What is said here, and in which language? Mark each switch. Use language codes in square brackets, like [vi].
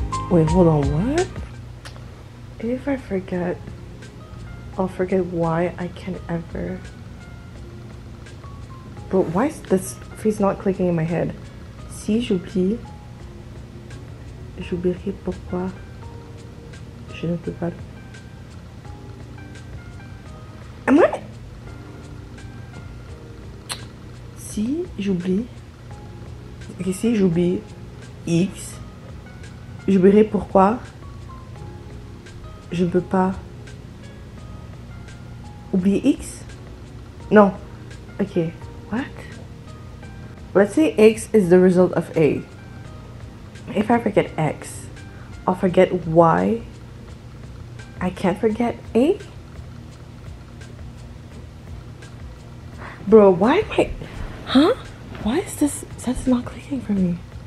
[en] Wait, hold on, what? If I forget, I'll forget why I can ever. But why is this phrase not clicking in my head? [fr] Si j'oublie, j'oublierai pourquoi je ne peux pas. [en] Am I? [fr] Si j'oublie. Okay, si j'oublie X, j'oublierai pourquoi je ne peux pas oublier X? [en] Non. Okay. What? Let's say X is the result of A. If I forget X, I'll forget Y. I can't forget A? Bro, why am I... Huh? Why is this... That's not clicking for me.